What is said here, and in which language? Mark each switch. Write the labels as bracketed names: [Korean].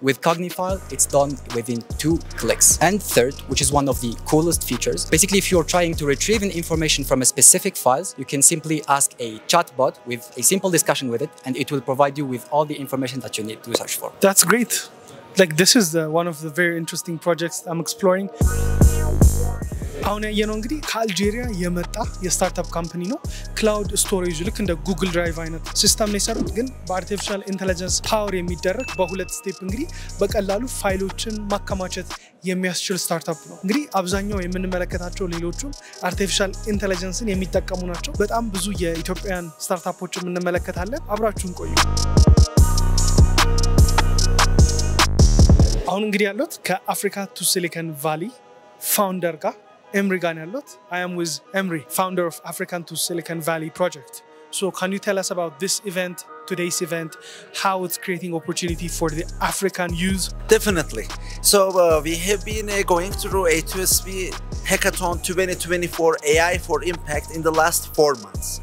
[English] With Cognifile, it's done within 2 clicks. And third, which is one of the coolest features, basically if you're trying to retrieve an information from a specific file, you can simply ask a chatbot with a simple discussion with it, and it will provide you with all the information that you need to search for. That's great. Like, this is one of the very interesting projects I'm exploring. [Amharic] አሁን ያየነው እንግዲህ ከአልጄሪያ የመጣ የስታርታፕ ካምፓኒ ነው። ክላውድ ስቶሬጅ ልክ እንደ ጉግል ድራይቭ አይነት ሲስተም ነው የሰሩት፣ ግን በአርቲፊሻል ኢንተለጀንስ ፓወር የሚደረግ በሁለት ስቴፕ እንግዲህ በቀላሉ ፋይሎችን ማከማቸት የሚያስችል ስታርታፕ ነው። እንግዲህ አብዛኛው የምንመለከታቸው ሌሎቹም አርቲፊሻል ኢንተለጀንስን የሚጠቀሙ ናቸው። በጣም ብዙ የኢትዮጵያን ስታርታፖች እንመለከታለን። አብራችሁን ቆዩ። አሁን እንግዲህ ያለሁት ከአፍሪካ ቱ ሲሊከን ቫሊ ፋውንደር ጋር Emery Ganelot. [English] I am with Emery, founder of African to Silicon Valley project. So can you tell us about this event, today's event, how it's creating opportunity for the African youth? Definitely. So we have been going through A2SV Hackathon 2024 AI for Impact in the last 4 months.